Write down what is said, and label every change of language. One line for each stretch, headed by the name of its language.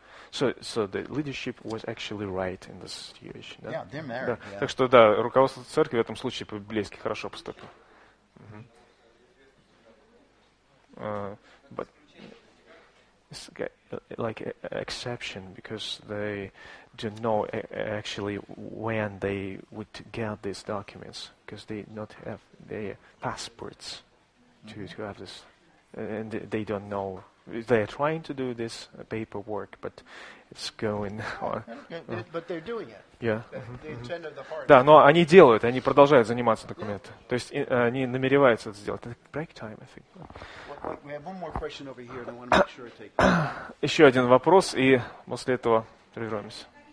English: So the leadership was actually right in this situation.
Russian: Да?
English: Yeah, they're married.
Russian: Да.
English: Yeah.
Russian: Так что да, руководство церкви в этом случае по-библейски хорошо поступило.
English: But it's like an exception because they didn't know actually when they would get these documents because they not have their passports to have this, and they don't know. They are trying to do this paperwork, but it's going on. But they're doing it. Yeah. The intent of the heart.
Russian: Да, но они делают, они продолжают заниматься документами. Yeah. То есть они намереваются это сделать.
English: It's break time, I think. We have one more question over here, and I want to make sure I take it.
Russian: Еще один вопрос, и после этого прервемся.